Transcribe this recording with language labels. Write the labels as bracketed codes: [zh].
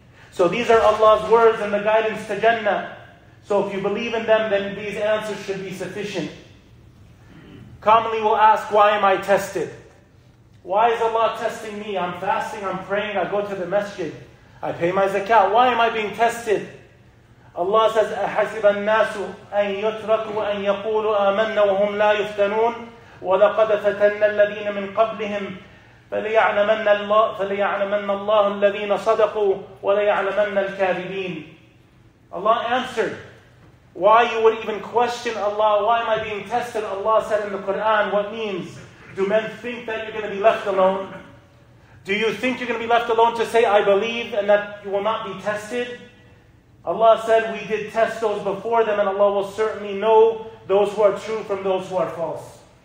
[en] So these are Allah's words and the guidance to Jannah. So if you believe in them, then these answers should be sufficient. Commonly we'll ask, why am I tested? Why is Allah testing me? I'm fasting, I'm praying, I go to the masjid. I pay my zakat. Why am I being tested? Allah says, [ar] أَحَسِبَ النَّاسُ أَن يُتْرَكُوا أَن يَقُولُوا آمَنَّا وَهُمْ لَا يُفْتَنُونَ وَلَقَدْ فَتَنَّ الَّذِينَ مِنْ قَبْلِهِمْ فَلِيَعْلَمَنَّ اللَّهُ الَّذِينَ صَدَقُوا وَلَيَعْلَمَنَّ الْكَاذِبِينَ [en] Allah answered, why you would even question Allah, why am I being tested? Allah said in the Quran, what means? Do men think that you're going to be left alone? Do you think you're going to be left alone to say, I believe, and that you will not be tested? Allah said, we did test those before them, and Allah will certainly know those who are true from those who are false.